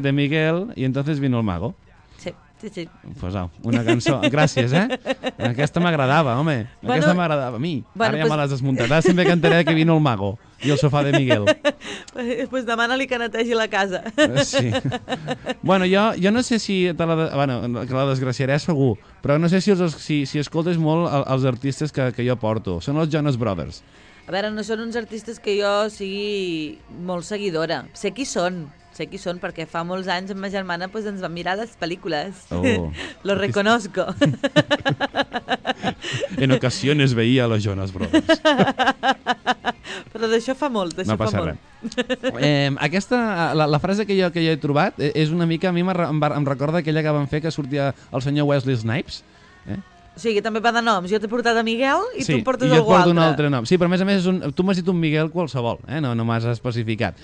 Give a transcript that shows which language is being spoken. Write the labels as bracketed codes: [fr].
[es] De Miguel i entonces vino el mago. [ca] Sí. Pues, una cançó. Gràcies, eh? Aquesta m'agradava, home. Aquesta m'agradava a mi. Ara ja me l'has desmuntat. Ara sempre cantaré que vino el mago i el sofà de Miguel. Pues demana-li que netegi la casa. Sí. Bueno, jo no sé si... que la desgraciaré segur, però no sé si escoltes molt els artistes que jo porto. Són els Jonas Brothers. A veure, no són uns artistes que jo sigui molt seguidora. Sé qui són. Sé qui són, perquè fa molts anys amb ma germana pues, ens van mirar les pel·lícules. Oh. [es] Lo reconozco. En ocasiones veía a los Jonas Brothers. [ca] Però d'això fa molt, d'això no fa molt. Aquesta, la frase que jo he trobat és una mica, a mi em recorda aquella que van fer que sortia el senyor Wesley Snipes. O sigui, també va de noms. Jo t'he portat a Miguel i sí, tu em portes algú altre. Sí, jo porto un altre nom. Sí, però a més és tu m'has dit un Miguel qualsevol, no m'has especificat.